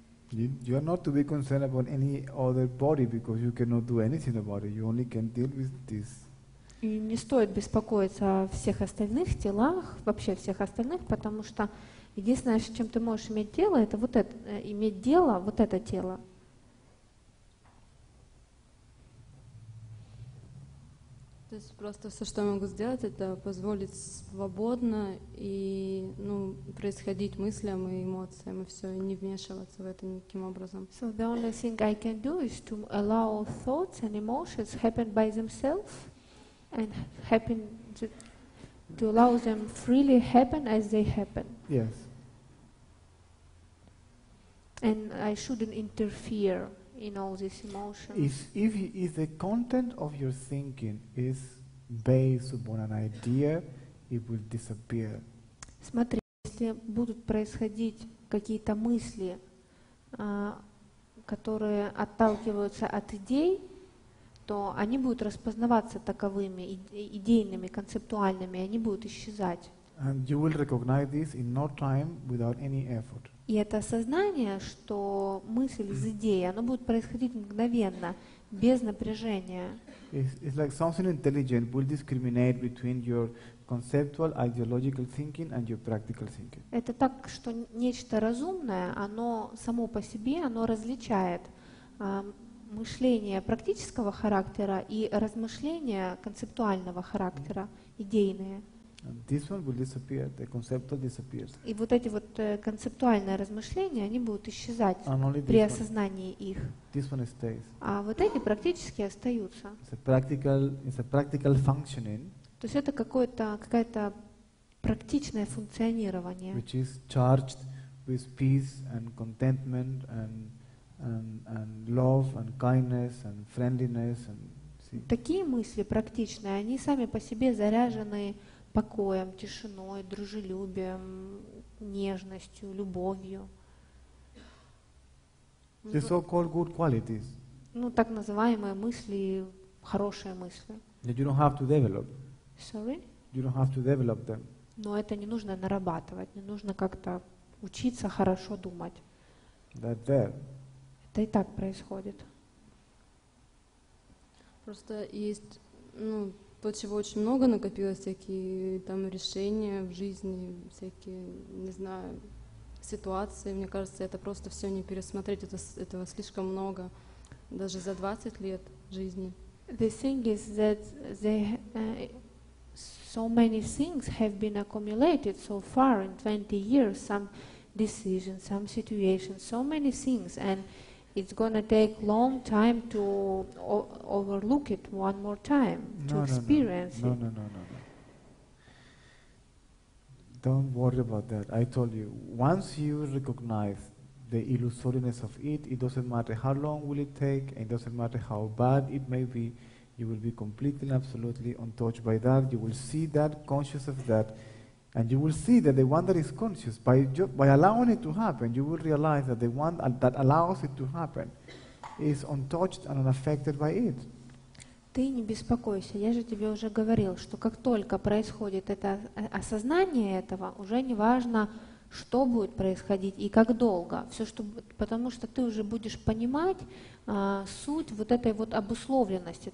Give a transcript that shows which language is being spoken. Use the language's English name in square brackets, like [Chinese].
[English] You are not to be concerned about any other body because you cannot do anything about it. You only can deal with this. [Russian] И не стоит беспокоиться о всех остальных телах, вообще всех остальных, потому что единственное, с чем ты можешь иметь дело, это вот это, иметь дело, вот это тело. То есть просто все, что я могу сделать, это позволить свободно и, ну, происходить мыслям и эмоциям, и все, и не вмешиваться в это никаким образом. [English] So the only thing I can do is to allow thoughts and emotions happen by themselves and happen to allow them freely happen as they happen. Yes. And I shouldn't interfere in all these emotions. If the content of your thinking is based upon an idea, it will disappear. [Russian] Смотри, если будут происходить какие-то мысли, которые отталкиваются от идей, то они будут распознаваться таковыми, идейными, концептуальными, и они будут исчезать. [English] And you will recognize this in no time without any effort. [Russian] И это осознание, что мысль из идеи, оно будет происходить мгновенно, без напряжения. [English] It's like something intelligent will discriminate between your conceptual, ideological thinking and your practical thinking. [Russian] Это так, что нечто разумное, оно само по себе, оно различает мышление практического характера и размышления концептуального характера, идейные. [English] And this one will disappear, the conceptual disappears. [Russian] И вот эти вот концептуальные размышления, они будут исчезать при осознании их. [English] This one stays. [Russian] А вот эти практически остаются. [English] It's a practical functioning. [Russian] То есть это какая-то практичное функционирование, [English] which is charged with peace and contentment and love and kindness and friendliness and see. [Russian] Такие мысли практичные, они сами по себе заряжены покоем, тишиной, дружелюбием, нежностью, любовью. [English] The so-called good qualities. [Russian] Ну, так называемые мысли, хорошие мысли. [English] That you don't have to develop. Sorry? You don't have to develop them. [Russian] Но это не нужно нарабатывать, не нужно как-то учиться хорошо думать. [English] That there. [Russian] Это и так происходит. Просто есть, ну, то, чего очень много накопилось, всякие там решения в жизни, всякие, не знаю, ситуации, мне кажется, это просто все не пересмотреть, этого слишком много, даже за 20 лет жизни. [English] The thing is that they, so many things have been accumulated so far in 20 years, some decisions, some situations, so many things, and it's going to take long time to overlook it one more time, no, to experience no, no. it. No. Don't worry about that. I told you, once you recognize the illusoriness of it, it doesn't matter how long will it take, and it doesn't matter how bad it may be, you will be completely, absolutely untouched by that. You will see that, conscious of that, and you will see that the one that is conscious, by allowing it to happen, you will realize that the one that allows it to happen is untouched and unaffected by it. [Russian] Ты не беспокойся, я же тебе уже говорил, что как только происходит это осознание этого, уже не важно, что будет происходить и как долго. Все, что, потому что ты уже будешь понимать суть вот этой вот обусловленности.